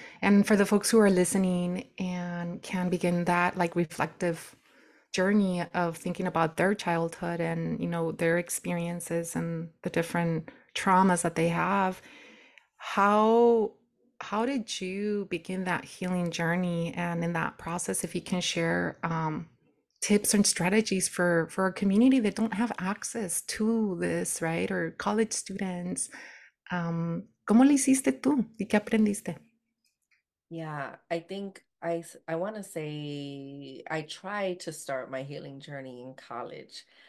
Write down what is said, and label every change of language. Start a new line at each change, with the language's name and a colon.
English: And for the folks who are listening and can begin that like reflective journey of thinking about their childhood and, you know, their experiences and the different traumas that they have, how did you begin that healing journey? And in that process, if you can share tips and strategies for a community that don't have access to this, right? Or college students,
Spanish: ¿cómo lo hiciste tú? ¿Y qué aprendiste?
English: Yeah, I think I want to say I tried to start my healing journey in college.